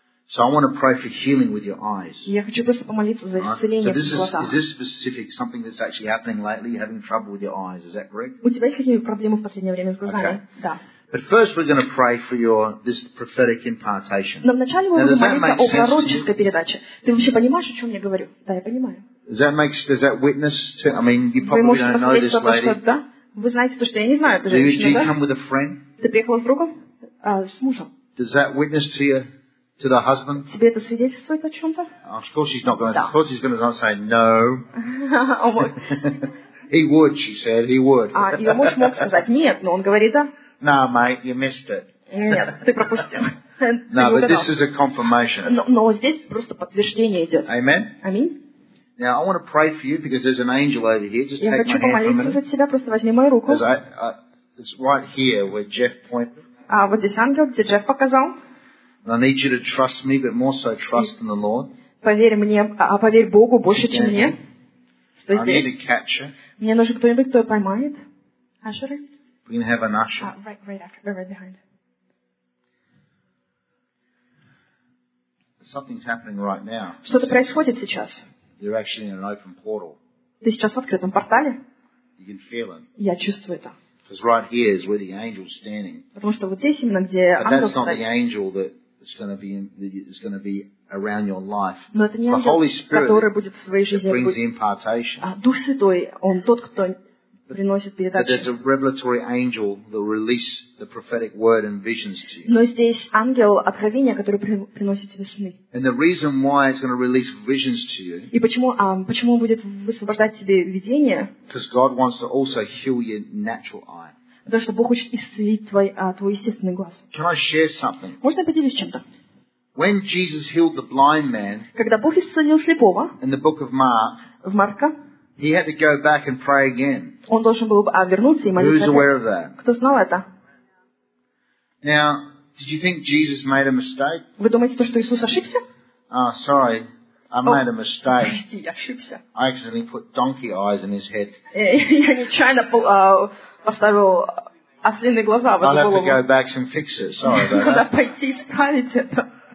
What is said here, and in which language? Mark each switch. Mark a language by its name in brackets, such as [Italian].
[English] So I want to pray for healing with your eyes. [Russian] Я хочу просто помолиться за исцеление в глазах. [English] So is this specific something that's actually happening lately? You're having trouble with your eyes, is that correct? [Russian] У тебя есть какие-то проблемы в последнее время с глазами? Да. [English] But first we're going to pray for this prophetic impartation. [Russian] Но вначале мы будем молиться о пророческой передаче. Ты вообще понимаешь, о чем я говорю? Да, я понимаю. [English] Does that witness to? I mean, you probably don't know this lady. [Russian] Да? Вы знаете то, что я не знаю эту женщину, да? [English] Do you come with a friend? [Russian] Ты приехала с другом? С мужем. [English] Does that witness to you? To the husband? [Russian] Тебе это свидетельствует о чем-то? [English] Of course he's not going to. Of course he's going to say no. Oh my. He would, she said. He would. [Russian] А ее муж мог сказать нет, но он говорит да. [English] No, mate, you missed it. [Russian] Нет, ты пропустил. [English] No, but this is a confirmation. [Russian] Но здесь просто подтверждение идет. [English] Amen. [Russian] Аминь. [English] Now I want to pray for you because there's an angel over here. Just take my hand. [Russian] Я хочу помолиться за тебя, просто возьми мою руку. [English] It's right here where Jeff pointed. [Russian] А вот здесь ангел, где Джефф показал. [English] I need you to trust me, but more so trust in the Lord. [Russian] Поверь мне, а поверь Богу больше, чем мне. Что [English] I [Russian] здесь? [English] Need a catcher. [Russian] Мне нужен кто-нибудь, кто поймает. [English] Usher. We're gonna have an usher. Right after. We're right behind. Something's happening right now. [Russian] Что-то происходит сейчас. [English] You're actually in an open portal. [Russian] Ты сейчас в открытом портале. [English] You can feel it. [Russian] Я чувствую это. [English] Because right here is where the angel's standing. [Russian] Потому что вот здесь именно где ангел стоит. [English] But that's not the angel that is going to be in, that is going to be around your life. [Russian] Но это не ангел, [English] the Holy Spirit, [Russian] который будет в своей жизни. [English] That brings the impartation. [Russian] Дух Святой, он тот, кто приносит передачу. [English] But there's a revelatory angel that release the prophetic word and visions to you. [Russian] Но здесь ангел откровения, который приносит тебе сны. [English] And the reason why it's going to release visions to you. [Russian] И почему он будет высвобождать тебе видения? [English] Because God wants to also heal your natural eye. [Russian] Потому что Бог хочет исцелить твой естественный глаз. [English] Can I share something? [Russian] Можно поделиться чем-то? [English] When Jesus healed the blind man. [Russian] Когда Бог исцелил слепого. [English] In the book of Mark. [Russian] В Марка. [English] He had to go back and pray again. [Russian] Он должен был вернуться и молиться. [English] Who's aware of that? [Russian] Кто знал это? [English] Now, did you think Jesus made a mistake? [Russian] Вы думаете, что Иисус ошибся? [English] Oh, sorry. I made a mistake. [Russian] Прости, я ошибся. [English] I accidentally put donkey eyes in his head. [Russian] Я нечаянно поставил ослиные глаза в его голову. [English] I'll have to go back and fix it. Sorry about that. [Russian] Куда пойти исправить это?